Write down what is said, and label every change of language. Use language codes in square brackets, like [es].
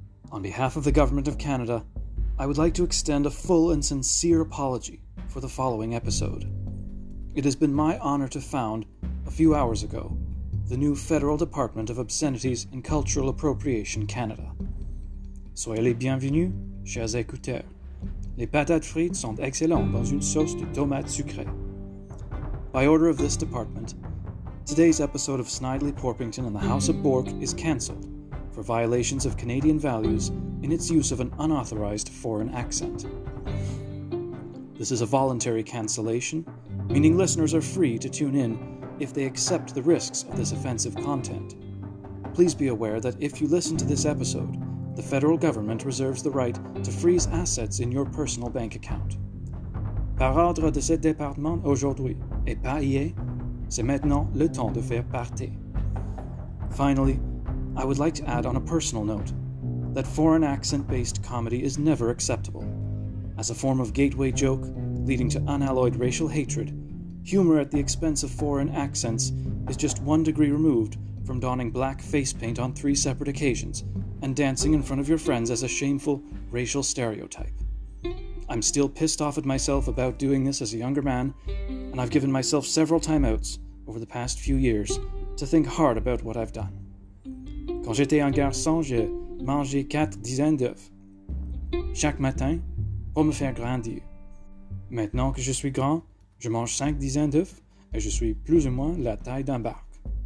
[en] On behalf of the Government of Canada, I would like to extend a full and sincere apology for the following episode. It has been my honor to found, a few hours ago, the new Federal Department of Obscenities and Cultural Appropriation Canada. [fr] Soyez les bienvenus, chers écouteurs. Les patates frites sont excellentes dans une sauce de tomates sucrées. [en] By order of this department, today's episode of Snidely Porpington and the House of Bork is cancelled for violations of Canadian values in its use of an unauthorized foreign accent. This is a voluntary cancellation, meaning listeners are free to tune in if they accept the risks of this offensive content. Please be aware that if you listen to this episode, the federal government reserves the right to freeze assets in your personal bank account. [fr] Par ordre de ce département aujourd'hui, et pas hier, c'est maintenant le temps de faire partie. [en] Finally, I would like to add on a personal note that foreign accent-based comedy is never acceptable. As a form of gateway joke leading to unalloyed racial hatred, humor at the expense of foreign accents is just one degree removed from donning black face paint on three separate occasions and dancing in front of your friends as a shameful racial stereotype. I'm still pissed off at myself about doing this as a younger man, and I've given myself several timeouts over the past few years to think hard about what I've done. [fr] Quand j'étais un garçon, je mangeais 4 dizaines d'œufs chaque matin pour me faire grandir. Maintenant que je suis grand, je mange 5 dizaines d'œufs et je suis plus ou moins la taille d'un barque.